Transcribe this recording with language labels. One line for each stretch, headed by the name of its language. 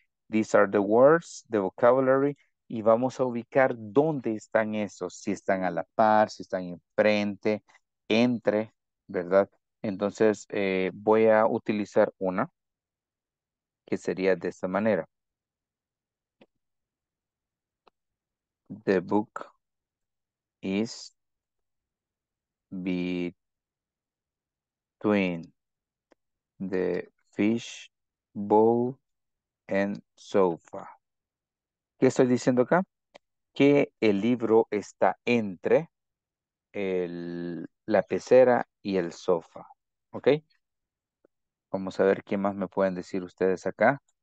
English: These are the words, the vocabulary,
Spanish: y vamos a ubicar dónde están esos, si están a la par, si están enfrente, entre, ¿verdad? Entonces, voy a utilizar una, que sería de esta manera.
English: The book is between the fish bowl and sofa.
Spanish: ¿Qué estoy diciendo acá? Que el libro está entre el, la pecera y el sofá. ¿Ok? Vamos a ver qué más me pueden decir ustedes acá.